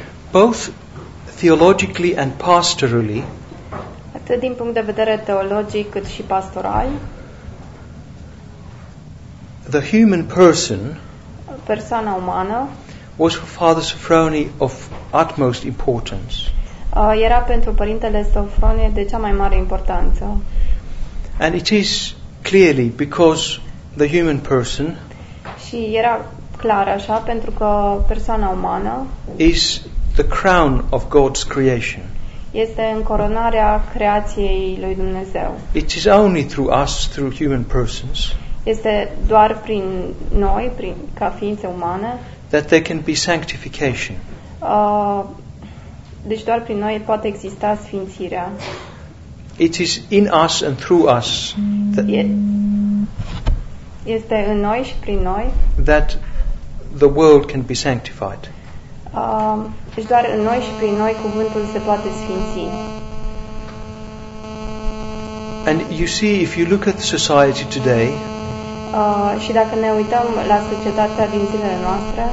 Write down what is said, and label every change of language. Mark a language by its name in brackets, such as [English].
[English] Both theologically and pastorally, [Romanian] atât din punct de vedere teologic cât și pastoral, [English] the human person, [Romanian] persoana umană, [English] was for Father Sofroni of utmost importance. [Romanian] Era pentru părintele Sofronie de cea mai mare importanță. [English] And it is clearly because the human person, [Romanian] și era clar așa pentru că persoana umană, [English] is the crown of God's creation. [Romanian] Este încoronarea creației lui Dumnezeu. [English] It is only through us, through human persons. [Romanian] Este doar prin noi, prin ca ființe umane. [English] That there can be sanctification. [Romanian] Deci doar prin noi poate exista sfințirea. [English] It is in us and through us. [Romanian] Este în noi și prin noi. [English] That the world can be sanctified. [Romanian] Deci doar în noi și prin noi cuvântul se poate sfinți. [English] And you see, if you look at society today, [Romanian] și dacă ne uităm la societatea din zilele noastre,